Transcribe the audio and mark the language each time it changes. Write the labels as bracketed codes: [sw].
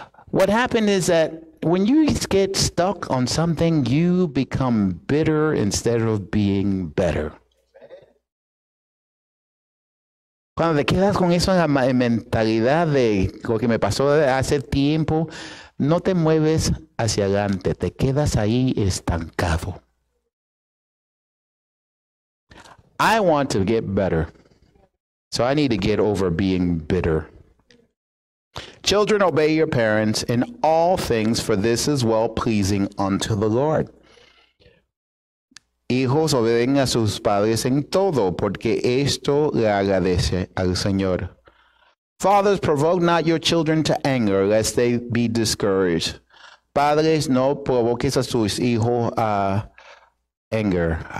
[en] What happened is that when you get stuck on something, you become bitter instead of being better. [es] Cuando te quedas con eso en la mentalidad de lo que me pasó hace tiempo, no te mueves hacia adelante, te quedas ahí estancado. [en] I want to get better. So I need to get over being bitter. Children, obey your parents in all things, for this is well-pleasing unto the Lord. [es] Hijos, obedecen a sus padres en todo, porque esto le agradece al Señor. [en] Fathers, provoke not your children to anger, lest they be discouraged. [es] Padres, no provoques a sus hijos a anger.